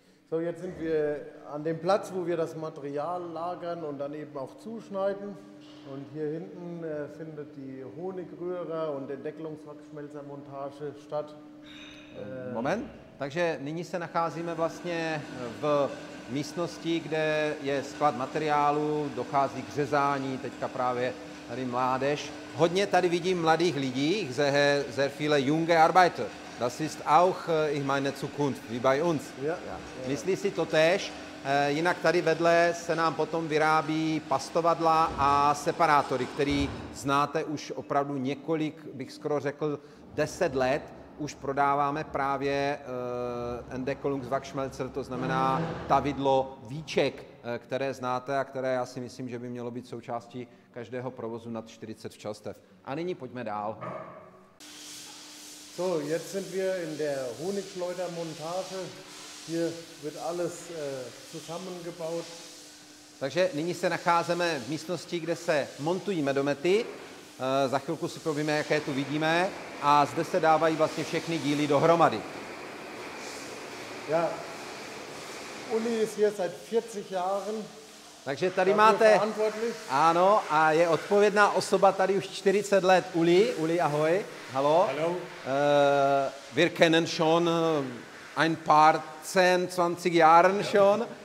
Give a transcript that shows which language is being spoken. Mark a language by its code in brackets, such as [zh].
[de] So, jetzt sind wir an dem Platz, wo wir das Material lagern und dann eben auch zuschneiden. Und hier hinten findet die Honigrühre und Entdecklungswachsschmelzermontage statt. [cs] Moment, takže nyní se nacházíme vlastně v místnosti, kde je sklad materiálu, dochází k řezání, teďka právě tady mládež. Hodně tady vidím mladých lidí, [de] sehr viele junge Arbeiter. Das ist auch, ich meine Zukunft, wie bei uns. [cs] Myslí si to též, jinak tady vedle se nám potom vyrábí pastovadla a separátory, který znáte už opravdu několik, bych skoro řekl, 10 let. Už prodáváme právě Entdeckungswachsschmelzer, to znamená tavidlo víček, které znáte a které já si myslím, že by mělo být součástí každého provozu nad 40 včelstev. A nyní pojďme dál. [de] So, jetzt sind wir in der Honigschleudermontage. Hier wird alles zusammengebaut. [cs] Takže nyní se nacházíme v místnosti, kde se montují medomety. Za chvilku si povíme, jaké tu vidíme. A zde se dávají vlastně všechny díly dohromady. [de] Ja. Uli ist hier seit 40 Jahren. [cs] Takže tady máte, ano, a je odpovědná osoba tady už 40 let, Uli. Uli, ahoj. Hallo. [de] Hallo. Wir kennen schon ein paar 10, 20 Jahren schon.